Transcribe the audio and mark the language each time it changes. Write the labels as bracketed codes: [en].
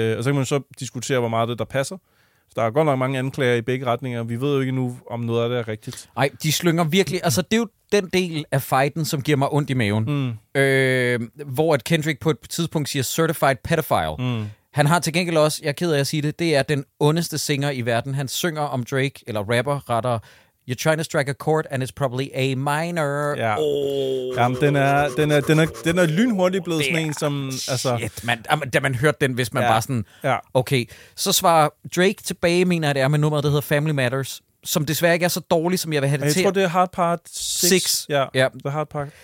[da] og så kan man så diskutere, hvor meget det der passer. Så der er godt nok mange anklager i begge retninger, vi ved jo ikke nu, om noget af det er rigtigt. Nej, de slynger virkelig... Altså, det er jo den del af fighten, som giver mig ondt i maven. Hvor at Kendrick på et tidspunkt siger [en] certified pedophile. [da] Han har til gengæld også, jeg er ked af at sige det, det er den ondeste singer i verden. Han synger om Drake, eller rapper, retter, [en] you're trying to strike a chord, and it's probably a minor. Ja. Oh. [da] Jamen, den er lynhurtigt blevet sådan en, som... Altså. Shit, man, da man hørte den, hvis man var sådan... Ja. Okay, så svarer Drake tilbage, mener jeg, det er med nummeret, der hedder Family Matters, som desværre ikke er så dårligt, som jeg vil have det jeg til. Jeg tror, det er Hard Part 6. Ja, [en] yeah. The Hard Part.